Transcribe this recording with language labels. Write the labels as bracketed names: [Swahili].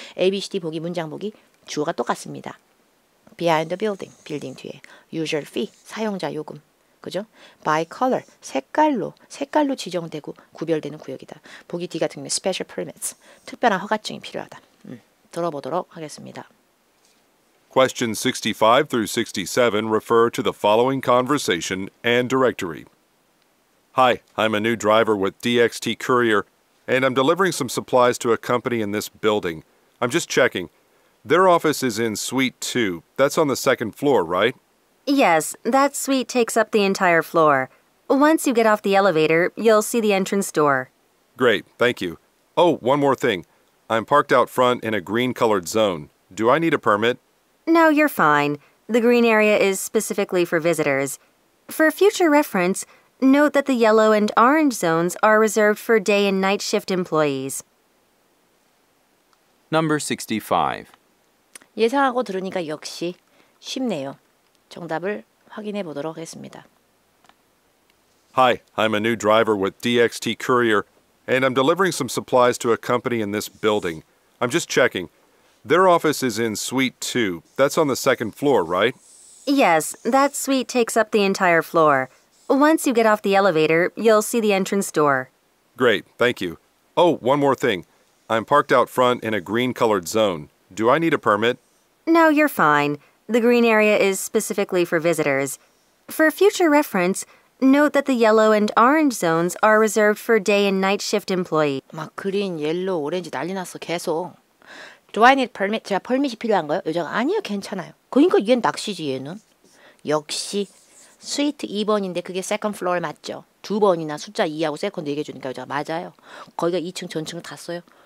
[Korean] ABCD 보기 문장 보기 주어가 똑같습니다. Behind the building, 빌딩 뒤에. User fee, 사용자 요금. 그죠? By color, 색깔로 지정되고 구별되는 구역이다. 보기 D 같은 경우는 special permits, 특별한 허가증이 필요하다. 들어보도록 하겠습니다. [English] Question 65 through 67 refer to the following conversation and directory. Hi, I'm a new driver with DXT Courier, and I'm delivering some supplies to a company in this building. I'm just checking. Their office is in Suite 2. That's on the second floor, right? Yes, that suite takes up the entire floor. Once you get off the elevator, you'll see the entrance door. Great, thank you. Oh, one more thing. I'm parked out front in a green-colored zone. Do I need a permit? No, you're fine. The green area is specifically for visitors. For future reference, note that the yellow and orange zones are reserved for day and night shift employees. Number 65. [Korean] 예상하고 들으니까 역시 쉽네요. 정답을 확인해 보도록 하겠습니다. [English] Hi, I'm a new driver with DXT Courier, and I'm delivering some supplies to a company in this building. I'm just checking. Their office is in Suite 2. That's on the second floor, right? Yes, that suite takes up the entire floor. Once you get off the elevator, you'll see the entrance door. Great, thank you. Oh, one more thing. I'm parked out front in a green-colored zone. Do I need a permit? No, you're fine. The green area is specifically for visitors. For future reference, note that the yellow and orange zones are reserved for day and night shift employees. [Korean] 막 그린, 옐로우, 오렌지 난리 났어, 계속. Do I need permit? 제가 permit이 필요한 거예요? 여자가 아니요, 괜찮아요. 그러니까 얘는 낚시지, 얘는. 역시 스위트 2번인데 그게 second floor 맞죠? 두 번이나 숫자 2하고 second 얘기해주니까 여자가 맞아요. 거기가 2층 전층을 다 써요.